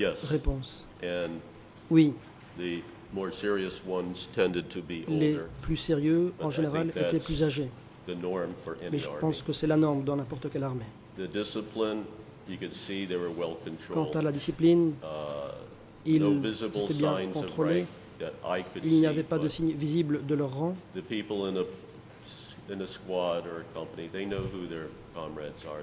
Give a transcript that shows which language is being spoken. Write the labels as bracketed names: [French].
[French] Réponse. Oui. [English] More serious ones tended to be older. [French] Les plus sérieux, en général, étaient plus âgés. Mais je pense que c'est la norme dans n'importe quelle armée. [English] The discipline, you could see they were well controlled. [French] Quant à la discipline, ils étaient bien contrôlés. Il n'y avait pas de signes visibles de leur rang. [English] The people in a squad or a company, they know who their comrades are.